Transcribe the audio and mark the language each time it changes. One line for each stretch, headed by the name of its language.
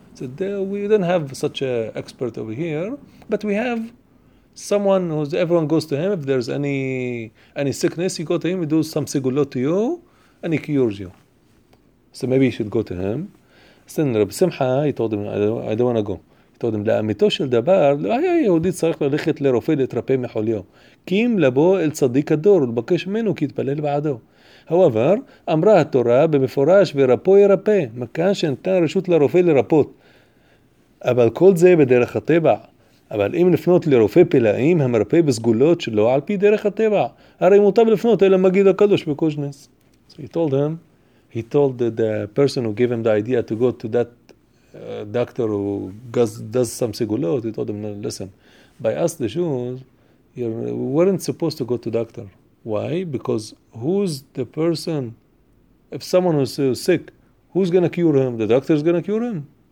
English: Said, we don't have such an expert over here, but we have someone who's everyone goes to him. If there's any sickness, you go to him, he does some segulot to you, and he cures you. So maybe you should go to him. Then Rabbi Simcha, he told him, I don't want to go. He told him,
Hebrew: לאמיתו של דבר, לא היה יהודי צריך ללכת לרופא להתרפא מחוליו. קים לבוא אל צדיק הדור, ולבקש ממנו כי יתפלל בעדו. However, אמרה התורה במפורש ורפו ירפא, מכאן שנתן רשות לרופא לרפות. אבל כל זה בדרך הטבע. אבל אם לפנות לרופא פלאים, המרפא בסגולות שלא על פי דרך הטבע. הרי מוטב לפנות אלא מגיד הקדוש בקושנס.
English: So he told the person who gave him the idea to go to that doctor who does some segulot, he told him, listen, by us the Jews, we weren't supposed to go to doctor. Why? Because who's the person, if someone is sick, who's going to cure him? The doctor is going to cure him?